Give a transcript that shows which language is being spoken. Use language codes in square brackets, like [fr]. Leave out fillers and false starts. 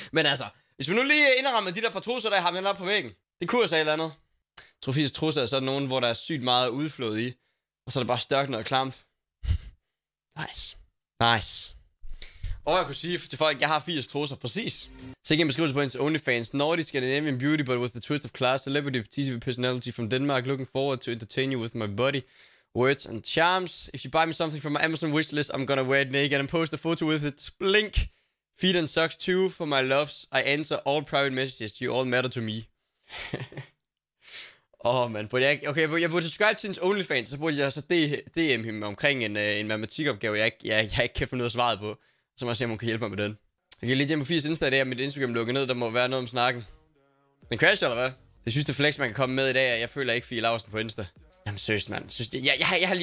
[da] Men altså, hvis vi nu lige indrammer de der par trusser, der har med op på væggen. Det kunne jeg sige eller andet. Trofis trusser er sådan nogen, hvor der er sygt meget udflået i. Og så er det bare størknet og klamt. Nice. Og jeg kunne sige til folk, at jeg har 80 trusser, præcis. Så ikke en beskrivelse på ens OnlyFans. [en] Nordisk and Indian beauty, but with the twist of class. Celebrity TV personality from Denmark. Looking forward to entertain you with my body. Words and charms. If you buy me something from my Amazon wishlist, I'm gonna wear it naked and post a photo with it. Blink. Feed and socks too for my loves. I answer all private messages. You all matter to me. [da] Åh, man. Jeg burde subscribe til hendes OnlyFans, så burde jeg så DM hende omkring en matematikopgave, jeg ikke kan finde noget svaret på. Så må jeg se, om hun kan hjælpe mig med den. Jeg kan lige hjem på 80 Insta i dag, og mit Instagram lukker ned. Der må være noget om snakken. Den crash, eller hvad? Jeg synes, det flex, man kan komme med i dag, og jeg føler ikke Fie Lausen på Insta. Jamen seriøst, mand.